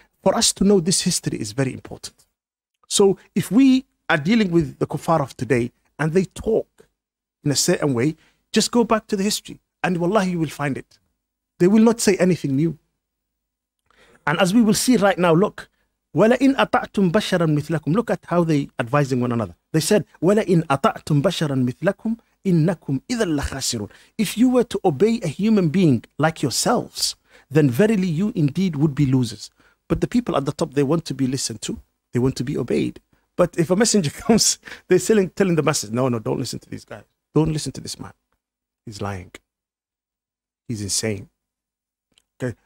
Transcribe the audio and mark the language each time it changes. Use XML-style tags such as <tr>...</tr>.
<en>For us to know this history is very important. So if we are dealing with the kuffar of today and they talk in a certain way, just go back to the history and wallahi you will find it. They will not say anything new. And as we will see right now, look,</en> <ar>وَلَئِنْ أَطَعْتُمْ بَشَرًا مِثْلَكُمْ.</ar> <en>Look at how they advising one another. They said,</en> <ar>وَلَئِنْ أَطَعْتُمْ بَشَرًا مِثْلَكُمْ إِنَّكُمْ إِذًا لَخَاسِرُونَ.</ar> <en>If you were to obey a human being like yourselves, then verily you indeed would be losers. But the people at the top, they want to be listened to. They want to be obeyed. But if a messenger comes, they're telling the masses, no, no, don't listen to these guys. Don't listen to this man. He's lying. He's insane. Okay.</en>